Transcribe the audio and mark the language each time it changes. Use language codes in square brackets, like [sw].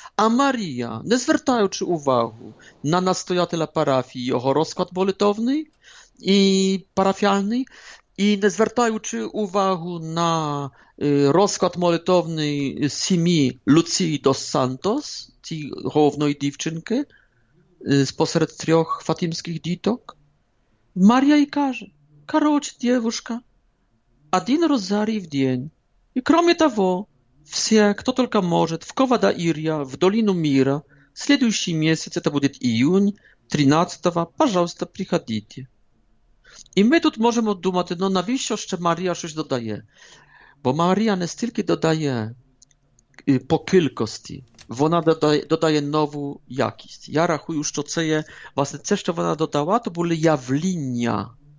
[uk] А Марія, не звертаючи увагу на настоятеля парафії, його розклад молитовний і парафіальний, і не звертаючи увагу на розклад молитовний сім'ї Луції Дос Сантос, цієї головної дівчинки спосеред трьох фатімських діток, Марія й каже: [ru] Короче, девушка, один розарий в день. И кроме того, все, кто только может, в Ковадаирия, в Долину Мира, следующий месяц, это будет июнь 13-го, пожалуйста, приходите. И мы тут можем думать, [uk] ну, навіщо ще Мария щось додає? Бо Мария не стільки додає по кількості, вона додає нову якість. Я рахую, що це є, власне, це, що вона додала, то були явління.